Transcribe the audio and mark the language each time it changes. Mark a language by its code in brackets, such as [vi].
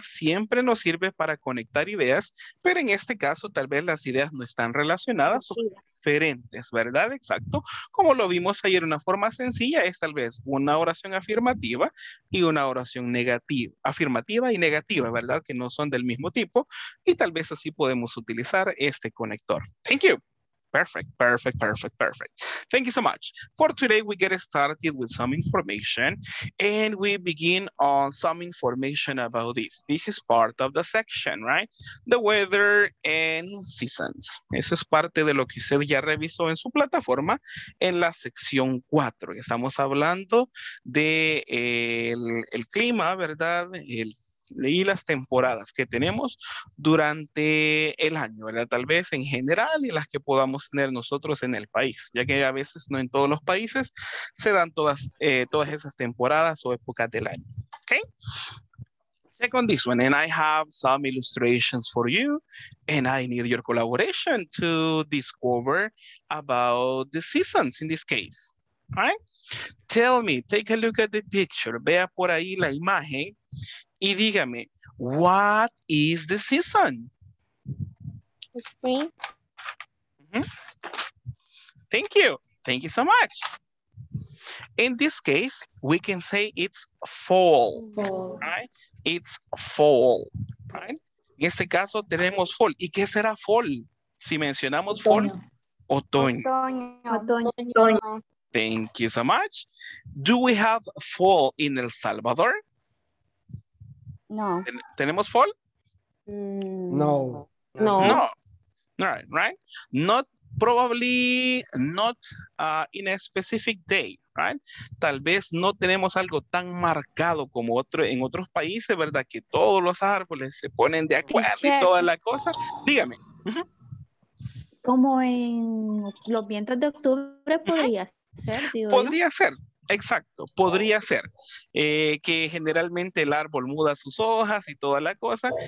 [es] Siempre nos sirve para conectar ideas, pero en este caso tal vez las ideas no están relacionadas, son diferentes, ¿verdad? Exacto. Como lo vimos ayer, una forma sencilla es tal vez una oración afirmativa y una oración negativa, afirmativa y negativa, ¿verdad? Que no son del mismo tipo, y tal vez así podemos utilizar este conector. [en] Thank you. Perfect, perfect, perfect, perfect. Thank you so much. For today, we get started with some information and we begin on some information about this. This is part of the section, right? The weather and seasons. [es] Eso es parte de lo que usted ya revisó en su plataforma en la sección 4. Estamos hablando de el clima, ¿verdad? Y las temporadas que tenemos durante el año, ¿verdad? Tal vez en general y las que podamos tener nosotros en el país, ya que a veces no en todos los países se dan todas esas temporadas o épocas del año. [en] Okay. Check on this one, and I have some illustrations for you, and I need your collaboration to discover about the seasons in this case. Right? Tell me, take a look at the picture. [es] Vea por ahí la imagen. Y dígame, [en] what is the season? Spring. Mm-hmm. Thank you. Thank you so much. In this case, we can say it's fall. Fall. Right? It's fall. Right? [es] En este caso tenemos [en] fall. [es] ¿Y qué será fall? Si mencionamos otoño. Fall, otoño. Otoño. [en] Thank you so much. Do we have fall in El Salvador? No. [es] ¿Tenemos fall? No. No. [en] No. Right? Not probably not in a specific day, right? [es] Tal vez no tenemos algo tan marcado como otro en otros países, ¿verdad? Que todos los árboles se ponen de acuerdo y toda la cosa. Dígame. Como en los vientos de octubre podría ser, digo. Podría ser. Exacto, podría ser que generalmente el árbol muda sus hojas y toda la cosa.